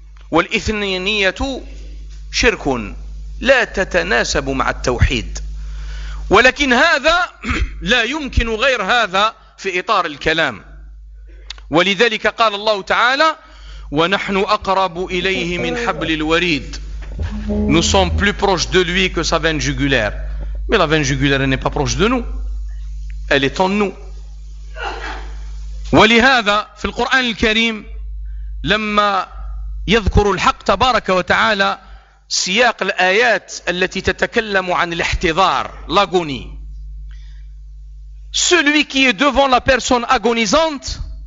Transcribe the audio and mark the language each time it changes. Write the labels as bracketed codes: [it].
[ar] والإثنينية شرك لا تتناسب مع التوحيد، ولكن هذا لا يمكن غير هذا في إطار الكلام. ولذلك قال الله تعالى ونحن أقرب إليه من حبل الوريد. [fr] Nous sommes plus proches de lui que sa veine jugulaire. Mais la veine jugulaire n'est pas proche de nous. Elle est en nous. [ar] ولهذا في القرآن الكريم لما يذكر الحق تبارك وتعالى سياق الآيات التي تتكلم عن الاحتضار لاغوني، [fr] celui qui est devant la personne agonisante